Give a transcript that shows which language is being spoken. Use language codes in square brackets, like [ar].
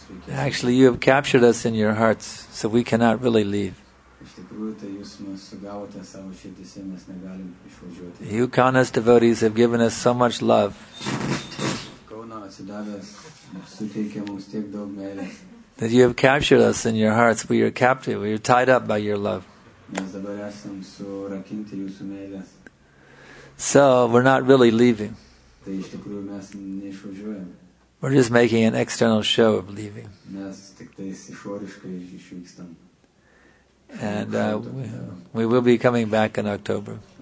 [en] Actually, you have captured us in your hearts, so we cannot really leave. [lt] Iš tikrųjų, tai jūs mus sugavote savo širdyse, mes negalim išvažiuoti. [en] You Kaunas devotees have given us so much love. [lt] Kauno atsidavęs suteikė mums tiek daug meilės. [en] That you have captured us in your hearts, we are captive, we are tied up by your love. [lt] Mes dabar esam surakinti jūsų meilės. [en] So, we're not really leaving. [lt] Tai iš tikrųjų, mes neišvažiuojam. [en] We're just making an external show of leaving. [lt] Mes tik tais išoriškai išvykstam. [en] And we will be coming back in October.